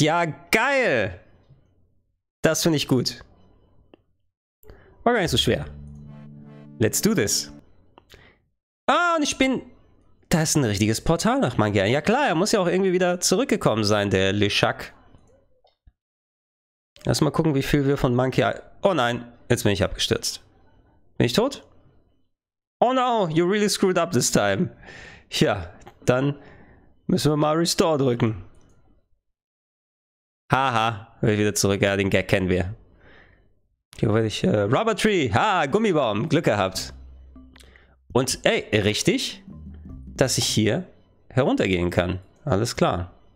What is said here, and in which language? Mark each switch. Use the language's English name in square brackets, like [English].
[German] Ja, geil! Das finde ich gut. War gar nicht so schwer. [English] Let's do this. [German] Ah, und ich bin... Da ist ein richtiges Portal nach Mangia. Ja klar, er muss ja auch irgendwie wieder zurückgekommen sein, der Leshak. Lass mal gucken, wie viel wir von Mangia... Oh nein, jetzt bin ich abgestürzt. Bin ich tot? [English] Oh no, you really screwed up this time. [German] Ja, dann müssen wir mal Restore drücken. Haha, will ich wieder zurück. Ja, den Gag kennen wir. Hier will ich... Rubber Tree, ha, Gummibaum, Glück gehabt. Und, ey, richtig, dass ich hier heruntergehen kann. Alles klar.